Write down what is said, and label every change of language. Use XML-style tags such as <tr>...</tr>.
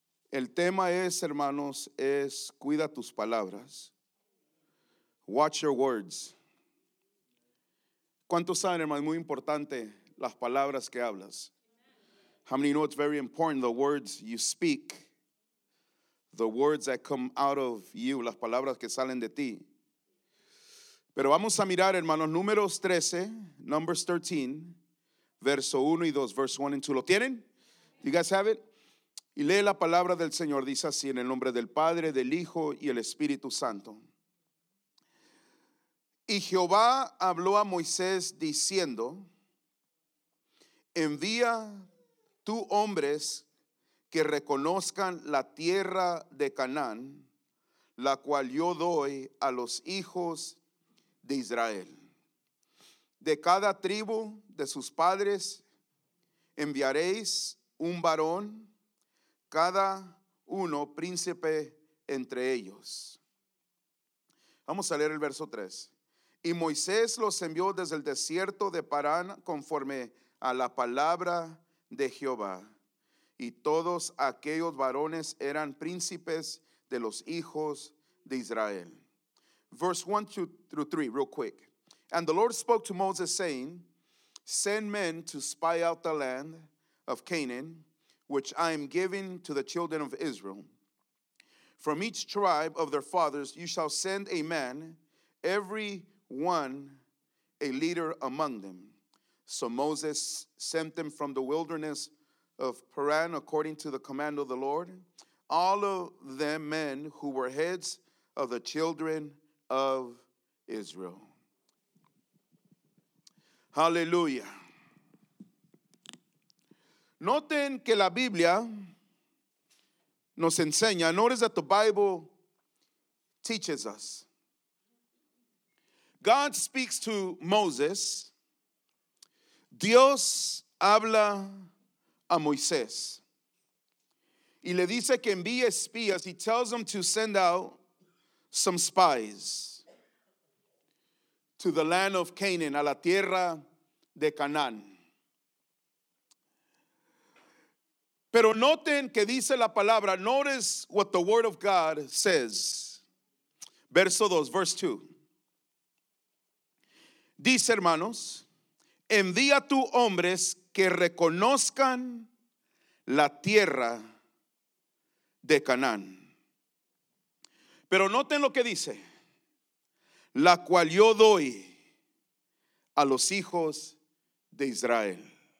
<es>El tema es, hermanos, es cuida tus palabras.</es> <en>Watch your words.</en> <es>¿Cuántos saben, hermano, muy importante las palabras que hablas?</es> <en>How many know it's very important, the words you speak, the words that come out of you,</en> <es>las palabras que salen de ti. Pero vamos a mirar, hermanos, Números 13,</es> <en>Numbers 13,</en> <es>verso 1 y 2,</es> <en>verse 1 and 2.</en> <es>¿Lo tienen?</es> <en>You guys have it?</en> <es>Y lee la palabra del Señor, dice así, en el nombre del Padre, del Hijo y el Espíritu Santo. Y Jehová habló a Moisés diciendo, envía tú hombres que reconozcan la tierra de Canaán, la cual yo doy a los hijos de Israel. De cada tribu de sus padres enviaréis un varón, cada uno príncipe entre ellos. Vamos a leer el verso 3. Y Moisés los envió desde el desierto de Parán conforme a la palabra de Jehová. Y todos aquellos varones eran príncipes de los hijos de Israel.</es> <en>Verse 1 through 3, real quick. And the Lord spoke to Moses, saying, send men to spy out the land of Canaan, which I am giving to the children of Israel. From each tribe of their fathers you shall send a man, every one a leader among them. So Moses sent them from the wilderness of Paran according to the command of the Lord, all of them men who were heads of the children of Israel. Hallelujah.</en> <es>Noten que la Biblia nos enseña.</es> <en>Notice that the Bible teaches us. God speaks to Moses.</en> <es>Dios habla a Moisés. Y le dice que envíe espías.</es> <en>He tells them to send out some spies to the land of Canaan,</en> <es>a la tierra de Canaán. Pero noten que dice la palabra.</es> <en>Notice what the word of God says.</en> <es>Verso 2,</es> <en>verse 2.</en> <es>Dice, hermanos, envía tú hombres que reconozcan la tierra de Canaán. Pero noten lo que dice, la cual yo doy a los hijos de Israel.</es>